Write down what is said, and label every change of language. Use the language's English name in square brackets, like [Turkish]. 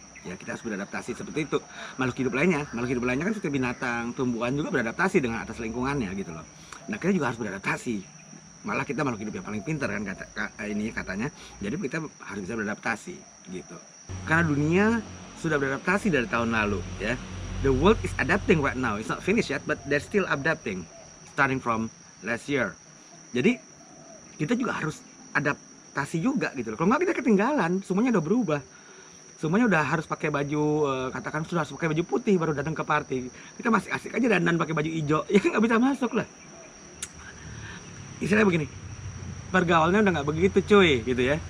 [Indonesian] Ya, kita harus beradaptasi seperti itu. Makhluk hidup lainnya kan seperti binatang, tumbuhan juga beradaptasi dengan atas lingkungannya gitu loh. Nah, kita juga harus beradaptasi. Malah kita makhluk hidup yang paling pintar kan katanya. Jadi kita harus bisa beradaptasi gitu. Karena dunia sudah beradaptasi dari tahun lalu, ya. [English] The world is adapting right now. It's not finished yet, but they're still adapting starting from last year. [Indonesian] Jadi kita juga harus adaptasi juga gitu loh. Kalau enggak kita ketinggalan, semuanya udah berubah. Semuanya udah harus pakai baju, katakan sudah harus pakai baju putih baru datang ke party. Kita masih asik aja dandan pakai baju hijau, ya nggak bisa masuk lah. Istilahnya begini, pergaulannya udah nggak begitu cuy, gitu ya.